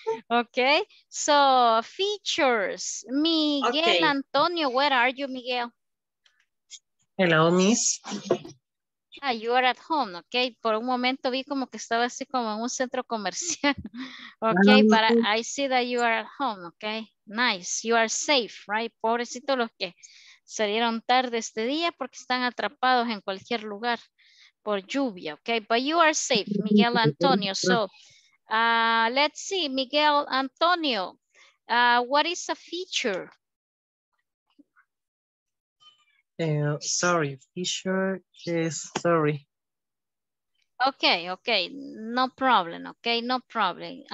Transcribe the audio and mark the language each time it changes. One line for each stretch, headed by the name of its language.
English: Okay, so features. Miguel, okay. Antonio, where are you, Miguel? Hello, Miss. Ah, you are at home, okay.
Spanish: Por un momento vi como que estaba así como en un centro comercial.
English: Okay, but I see that you are at home, okay. Nice, you are safe, right?
Spanish: Pobrecito los que salieron tarde este día porque están atrapados en cualquier lugar por lluvia, okay.
English: But you are safe, Miguel Antonio. So, let's see, Miguel Antonio, what is a feature? Sorry, feature is sorry. Okay, okay, no problem, okay, no problem.